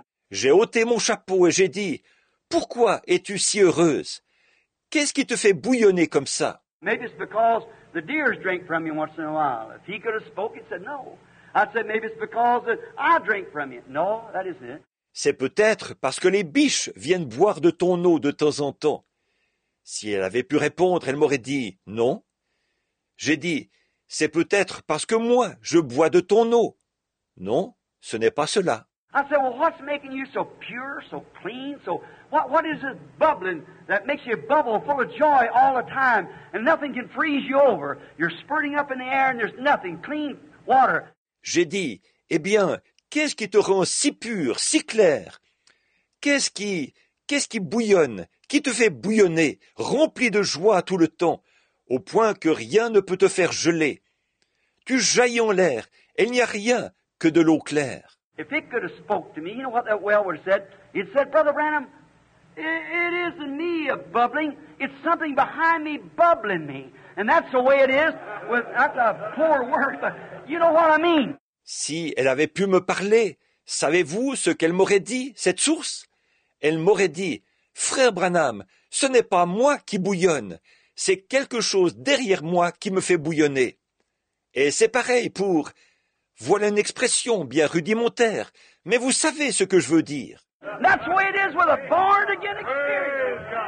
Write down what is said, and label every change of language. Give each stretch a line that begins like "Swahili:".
French: J'ai ôté mon chapeau et j'ai dit, pourquoi es-tu si heureuse? Qu'est-ce qui te fait bouillonner comme ça?
English: Maybe it's because the deer drink from you once in a while. If he could have spoken, he said no. I said, maybe it's because I drink from you. No, that isn't it.
French: C'est peut-être parce que les biches viennent boire de ton eau de temps en temps. Si elle avait pu répondre, elle m'aurait dit « non ». J'ai dit « c'est peut-être parce que moi, je bois de ton eau ». Non, ce n'est pas cela.
English: I said, well, what's making you so pure, so clean, so what is this bubbling that makes you bubble full of joy all the time and nothing can freeze you over? You're spurting up in the air and there's nothing, clean water.
French: J'ai dit « eh bien, qu'est-ce qui te rend si pur, si clair? Qu'est-ce qui bouillonne, qui te fait bouillonner, rempli de joie tout le temps, au point que rien ne peut te faire geler? Tu jaillis en l'air, et il n'y a rien que de l'eau claire.
English: If it could have spoke to me, you know what that well would have said? It said, Brother Branham, it isn't me bubbling, it's something behind me bubbling me. And that's the way it is with that's a poor word, but you know what I mean.
French: Si elle avait pu me parler, savez-vous ce qu'elle m'aurait dit, cette source? Elle m'aurait dit, frère Branham, ce n'est pas moi qui bouillonne, c'est quelque chose derrière moi qui me fait bouillonner. Et c'est pareil pour, voilà une expression bien rudimentaire, mais vous savez ce que je veux dire.
English: That's the way it is with a born again experience.